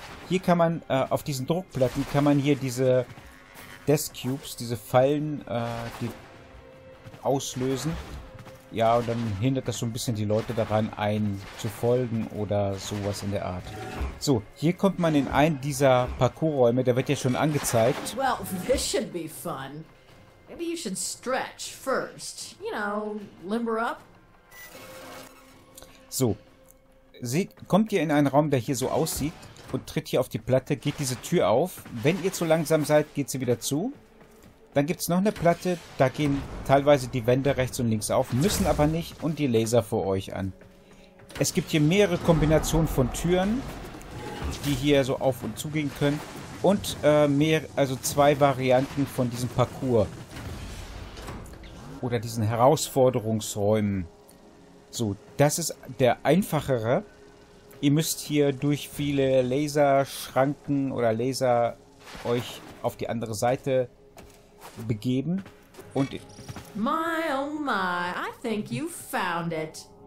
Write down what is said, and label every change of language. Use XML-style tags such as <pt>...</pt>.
<de>Hier kann man, auf diesen Druckplatten kann man hier diese Death Cubes, diese Fallen, die auslösen. Ja, und dann hindert das so ein bisschen die Leute daran, einen zu folgen oder sowas in der Art. So, hier kommt man in einen dieser Parcoursräume, der wird ja schon angezeigt.</de> <en>Well, this should be fun. Maybe you should stretch first. You know, limber up. So.</en> <de>Kommt ihr in einen Raum, der hier so aussieht und tritt hier auf die Platte, geht diese Tür auf. Wenn ihr zu langsam seid, geht sie wieder zu. Dann gibt es noch eine Platte, da gehen teilweise die Wände rechts und links auf, müssen aber nicht, und die Laser vor euch an. Es gibt hier mehrere Kombinationen von Türen, die hier so auf und zu gehen können. Und also zwei Varianten von diesem Parcours. Oder diesen Herausforderungsräumen. So, das ist der einfachere. Ihr müsst hier durch viele Laserschranken oder Laser euch auf die andere Seite begeben. Und</de> <en>my, oh my, I think you found it.</en>